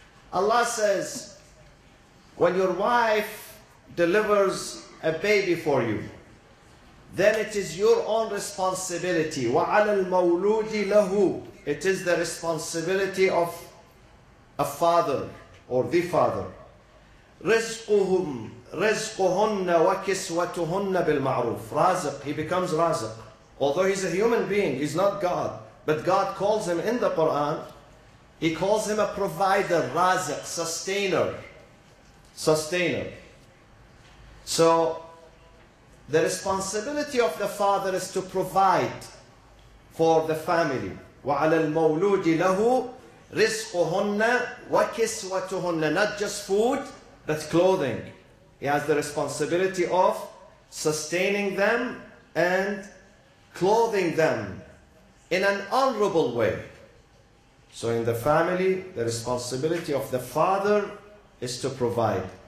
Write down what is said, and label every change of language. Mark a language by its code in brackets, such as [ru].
[en] Allah says, when your wife delivers a baby for you, then it is your own responsibility. [ar] وَعَلَى الْمَوْلُودِ لَهُ. [en] It is the responsibility of a father. Or the father. [ar] رزقهم رزقهن وكسوتهن بالمعروف. [en] Raziq. He becomes Raziq. Although he's a human being, he's not God. But God calls him in the Quran, He calls him a provider, Raziq, sustainer. Sustainer. So, the responsibility of the father is to provide for the family. [ar] وعلى المولود له رزقهن وكسوتهن. [en] Not just food, but clothing. He has the responsibility of sustaining them and clothing them in an honorable way. So in the family, the responsibility of the father is to provide.